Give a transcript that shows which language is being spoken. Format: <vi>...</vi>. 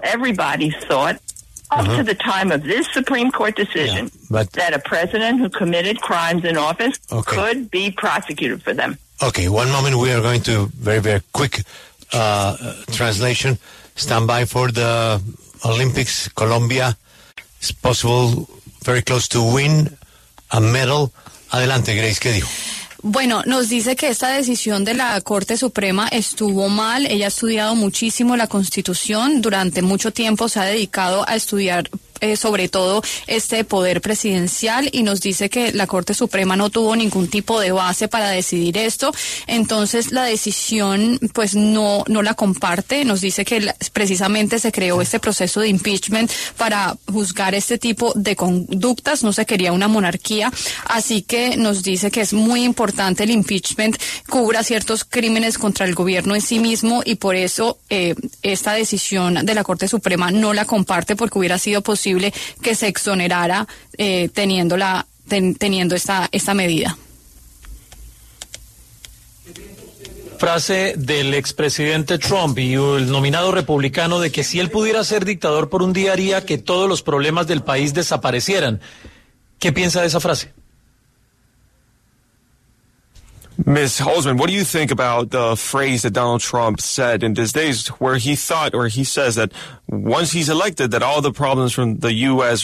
<en>Everybody thought, up to the time of this Supreme Court decision, that a president who committed crimes in office could be prosecuted for them. Okay, one moment. We are going to very, very quick translation. Stand by for the Olympics. Colombia, it's possible, very close to win a medal.</en> <es>Adelante, Grace, ¿qué dijo? Bueno, nos dice que esta decisión de la Corte Suprema estuvo mal. Ella ha estudiado muchísimo la Constitución. Durante mucho tiempo se ha dedicado a estudiar sobre todo este poder presidencial, y nos dice que la Corte Suprema no tuvo ningún tipo de base para decidir esto. Entonces la decisión pues no la comparte. Nos dice que precisamente se creó este proceso de impeachment para juzgar este tipo de conductas. No se quería una monarquía, así que nos dice que es muy importante el impeachment cubra ciertos crímenes contra el gobierno en sí mismo, y por eso esta decisión de la Corte Suprema no la comparte, porque hubiera sido posible que se exonerara teniendo esta medida. Frase del expresidente Trump y el nominado republicano de que si él pudiera ser dictador por un día haría que todos los problemas del país desaparecieran. ¿Qué piensa de esa frase?</es> <en>Ms. Holzman, what do you think about the phrase that Donald Trump said in these days where he thought, or he says, that once he's elected that all the problems from the U.S.</en>